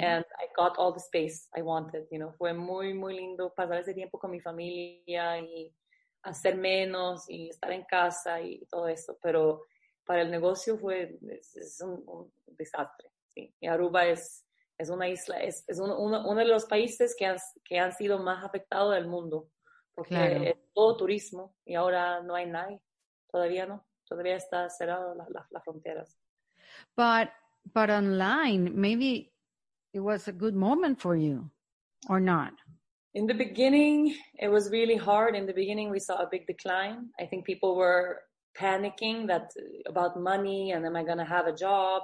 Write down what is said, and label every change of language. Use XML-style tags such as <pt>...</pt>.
<en>And I got all the space I wanted. You know,</en> <es>fue muy, muy lindo pasar ese tiempo con mi familia y hacer menos y estar en casa y todo eso, pero para el negocio fue es un desastre, ¿sí? Y Aruba es una isla, es uno de los países que han sido más afectados del mundo, porque claro. Es todo turismo y ahora no hay nadie, todavía está cerrado las fronteras.</es> <en>But online, maybe it was a good moment for you, or not? In the beginning, it was really hard. In the beginning, we saw a big decline. I think people were panicking that about money and am I going to have a job?</en>